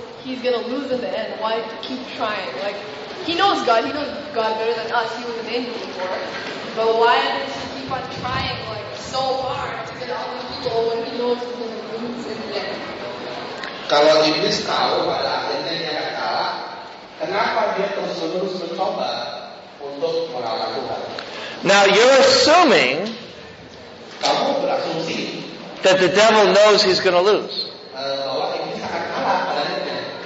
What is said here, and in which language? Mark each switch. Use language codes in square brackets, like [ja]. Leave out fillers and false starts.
[en] he's going to lose in the end. Why keep trying? Like, he knows God. He knows God better than us. He was an angel before. But why does he keep on trying, like, so hard to get all the people when he knows he's going to lose in the end? [id] Kalau iblis tahu bahwa akhirnya dia kalah, kenapa dia terus-menerus mencoba untuk melawan Tuhan? [en] Now you're assuming [id] kamu berasumsi [en] that the devil knows he's going to lose. [id] Bahwa iblis akan kalah padanya.